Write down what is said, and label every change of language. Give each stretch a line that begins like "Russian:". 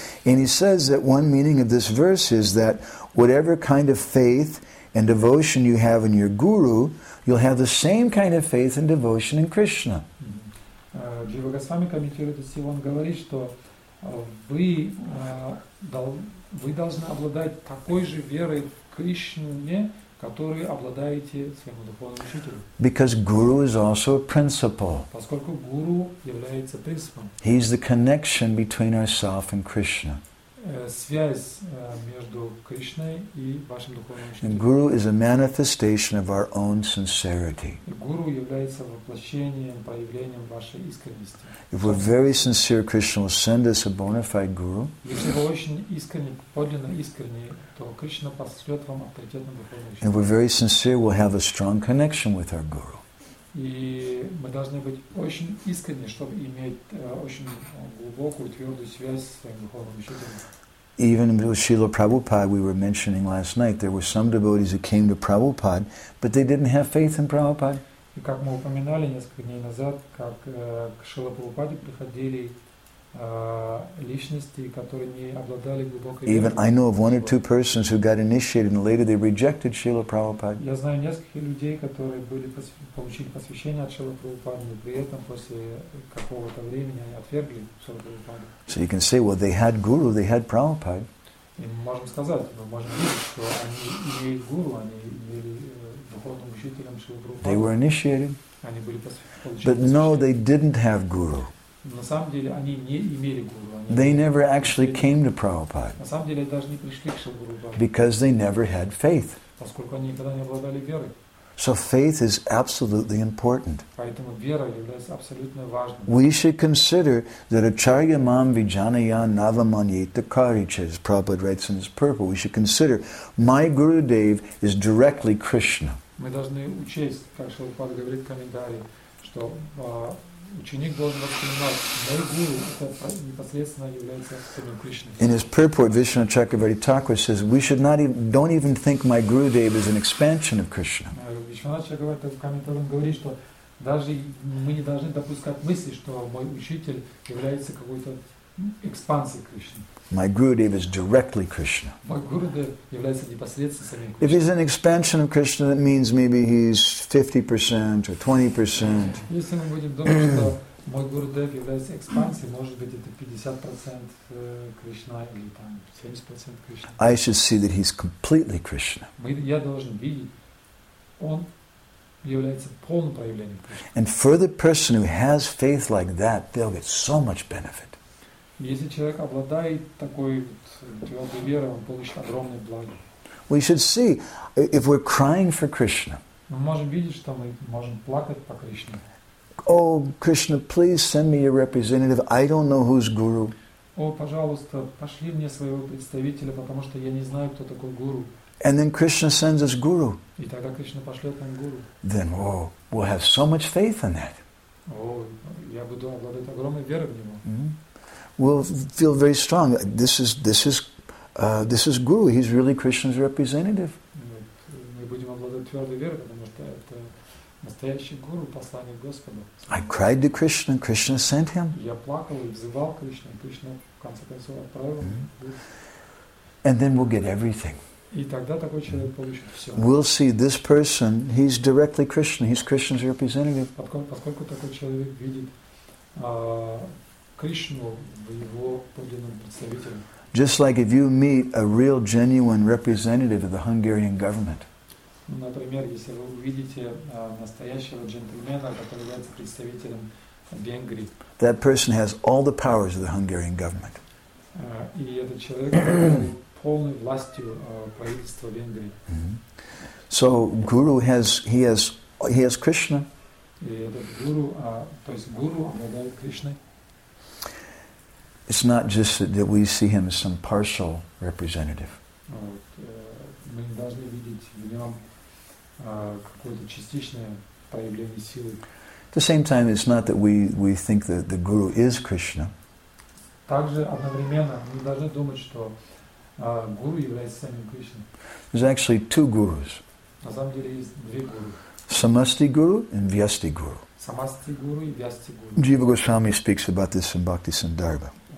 English: And he says that one meaning of this verse is that whatever kind of faith and devotion you have in your guru, you'll have the same kind of faith and devotion in Krishna.
Russian: Jiva Goswami комментирует это стих, он говорит, что вы должны обладать такой же верой в Кришне, которой обладаете своему духовному учителю.
English: Because guru is also a principle.
Russian: Поскольку гуру является принципом.
English: He's the connection between ourself and Krishna.
Russian: Связь между Кришной и вашим духовным учителем.
English: And guru is a manifestation of our own sincerity.
Russian: Гуру является воплощением, проявлением вашей искренности.
English: If we're very sincere, Krishna will send us a bona fide guru.
Russian: Если вы очень искренне, подлинно искренне, то Кришна пошлет вам авторитетного духовного учителя.
English: And we're very sincere, we'll have a strong connection with our guru.
Russian: И мы должны быть очень искренни, чтобы иметь очень глубокую, твердую связь с своим духовным учителем.
English: Even with Srila Prabhupada, we were mentioning last night, there were some devotees who came to Prabhupada, but they didn't have faith in Prabhupada.
Russian: И как мы упоминали несколько дней назад, как к Шрила Прабхупаде приходили личности, которые не обладали глубокой верой.
English: Even I know of one or two persons who got initiated and later they rejected Srila Prabhupada.
Russian: Я знаю нескольких людей, которые получили посвящение от Шрила Прабхупады, но при этом после какого-то времени они отвергли Шрила Прабхупада.
English: So you can say, well, they had guru, they had Prabhupada.
Russian: И мы можем сказать, мы можем видеть, что они имели гуру, они имели духовным учителем Шрила Прабхупада.
English: They were initiated.
Russian: Они были
English: But no, they didn't have guru.
Russian: На самом деле они не имели гуру.
English: They never actually came to Prabhupada.
Russian: На самом деле даже не пришли к Шрила Прабхупаде.
English: Because they never had faith.
Russian: Поскольку они никогда не обладали верой.
English: So faith is absolutely important.
Russian: Поэтому вера является абсолютно важной.
English: We should consider that
Sanskrit: acharya mam vijanaya navamanyeta karichas.
English: Prabhupada writes in his purport. We should consider my Gurudev is directly Krishna.
Russian: Мы должны учесть, как Шрила Прабхупада говорит в комментарии, что ученик должен воспринимать мой гуру, это непосредственно является самим Кришной.
English: In his purport, Vishnu Chakravarti Thakur says, we should not even, don't even think my Gurudev is an expansion of Krishna.
Russian: Vishnu Chakravarti в комментариях говорит, что даже мы не должны допускать мысли, что мой учитель является какой-то экспансией Кришны.
English: My Gurudev is directly Krishna.
Russian: Мой Гурудев является непосредственно самим Кришной.
English: If he's an expansion of Krishna, that means maybe he's 50% or 20%.
Russian: Если мы будем думать, что мой Гурудев является экспансией, может быть это 50% Кришна или там 70% Кришна.
English: I should see that he's completely Krishna.
Russian: Я должен видеть, он является полным проявлением Кришны.
English: And for the person who has faith like that, they'll get so much benefit.
Russian: Если человек обладает такой вот твердой верой, он получит огромное благо.
English: We should see if we're crying for Krishna.
Russian: Мы можем видеть, что мы можем плакать по Кришне.
English: Oh, Krishna, please send me your representative. I don't know who's guru.
Russian: О, пожалуйста, пошли мне своего представителя, потому что я не знаю, кто такой гуру.
English: And then Krishna sends us guru.
Russian: И тогда Кришна пошлет нам гуру.
English: Then, oh, we'll have so much faith in that.
Russian: я бы думал, надо это огромной веры в него.
English: Will feel very strong. This is Guru. He's really Krishna's representative.
Russian: Мы будем обладать твердой верой, потому что это настоящий гуру, посланник Господа.
English: I cried to Krishna. Krishna sent him.
Russian: Я плакал и взывал Кришну. Кришна в конце концов отправил.
English: And then we'll get everything.
Russian: И тогда такой человек получит все.
English: We'll see this person. He's directly Krishna. He's Krishna's representative.
Russian: Поскольку такой человек видит Кришну в его подлинном представителе.
English: Just like if you meet a real, genuine representative of the Hungarian government.
Russian: Например, если вы увидите настоящего джентльмена, который является представителем Венгрии.
English: That person has all the powers of the Hungarian government.
Russian: И этот человек обладает полной властью правительства Венгрии.
English: So Guru has Krishna.
Russian: И этот гуру, то есть гуру обладает Кришной.
English: It's not just that we see him as some partial representative.
Russian: Мы не должны видеть в нем какое-то частичное проявление силы.
English: At the same time, it's not that we think that the guru is Krishna.
Russian: Также одновременно мы должны думать, что гуру является самим Кришной.
English: There's actually two gurus.
Russian: На самом деле есть две гуру.
English: Samasti guru and Vyasti guru.
Russian: Samasti guru и Vyasti guru.
English: Jiva Goswami speaks about this in Bhakti Sandarbha.